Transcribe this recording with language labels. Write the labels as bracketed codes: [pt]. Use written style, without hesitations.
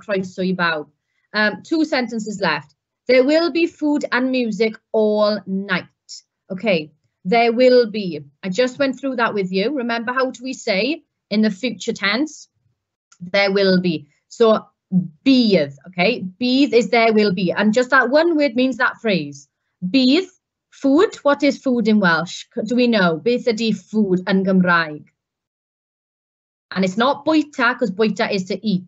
[cy] Croeso I bawb. [en] Two sentences left. There will be food and music all night. Okay. There will be. I just went through that with you. Remember how do we say in the future tense? There will be. So bydd, okay? Bydd is there will be. And just that one word means that phrase. Bydd, food. What is food in Welsh? Do we know? [cy] Beth ydy [en] food [cy] yn Gymraeg? [en] And it's not bwyta, because bwyta is to eat.